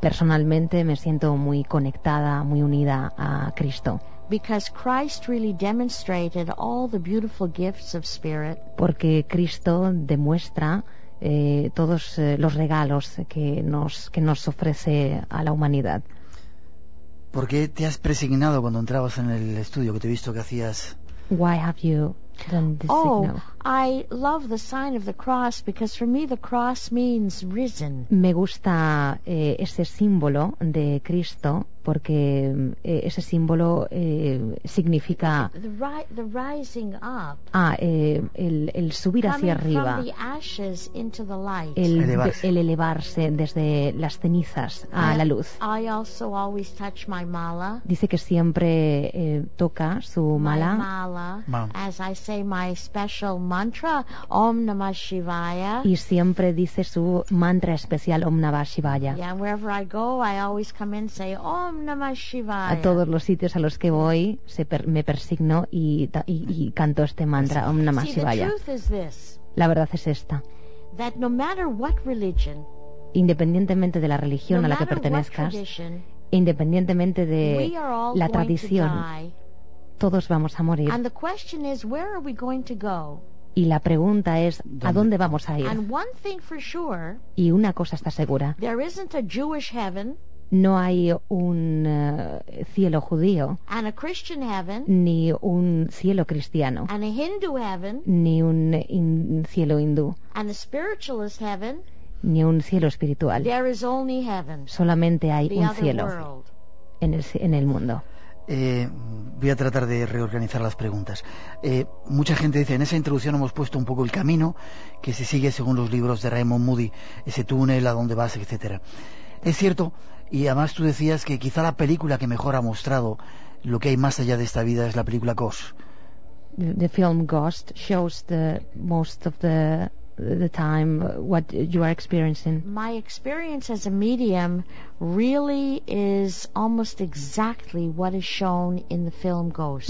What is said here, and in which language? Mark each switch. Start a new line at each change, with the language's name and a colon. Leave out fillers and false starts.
Spanish: Personalmente, me siento muy conectada, muy unida a Cristo.
English: Because Christ really demonstrated all the beautiful gifts of spirit.
Spanish: Porque Cristo demuestra todos los regalos que nos ofrece a la humanidad. ¿Por qué te has presignado cuando entrabas en el estudio que te he visto que hacías?
English: Why have you done the signal? Oh, I love the sign of the cross because for me the cross means risen.
Spanish: Me gusta ese símbolo de Cristo porque ese símbolo significa
English: the rising up.
Spanish: El subir
English: coming
Spanish: hacia arriba.
English: From the ashes into the light.
Spanish: El elevarse desde las cenizas a la luz.
English: I also always touch my mala.
Spanish: Dice que siempre toca su mala.
English: My mala. As I say my special mantra, Om Namah Shivaya.
Spanish: Y siempre dice su mantra especial, Om Namah Shivaya.
English: Yeah, and wherever I go, I always come in and say, Om Namah Shivaya.
Spanish: A todos los sitios a los que voy, me persigno y canto este mantra, Om Namah Shivaya.
English: See, the truth is this.
Spanish: La verdad es esta.
English: That no matter what religion,
Spanish: independientemente de la religión
English: no
Spanish: a la que pertenezcas,
English: tradition,
Spanish: independientemente de la tradición, todos vamos a morir.
English: And the question is, where are we going to go?
Spanish: Y la pregunta es, ¿a dónde vamos a ir?
English: And one thing for sure,
Spanish: y una cosa está segura.
English: There isn't a Jewish heaven,
Spanish: no hay un cielo judío.
English: And a Christian heaven,
Spanish: ni un cielo cristiano.
English: And a Hindu heaven,
Spanish: ni un cielo hindú.
English: And a spiritualist heaven,
Spanish: ni un cielo espiritual.
English: There is only heaven,
Spanish: solamente hay
English: the
Spanish: un
English: other
Spanish: cielo
English: world.
Spanish: En el mundo. Voy a tratar de reorganizar las preguntas. Mucha gente dice, en esa introducción hemos puesto un poco el camino que se sigue según los libros de Raymond Moody, ese túnel, a dónde vas, etcétera. Es cierto, y además tú decías que quizá la película que mejor ha mostrado lo que hay más allá de esta vida es la película Ghost.
English: The film Ghost shows the most of the the time, what you are experiencing? My experience as a medium really is almost exactly what is shown in the film Ghost.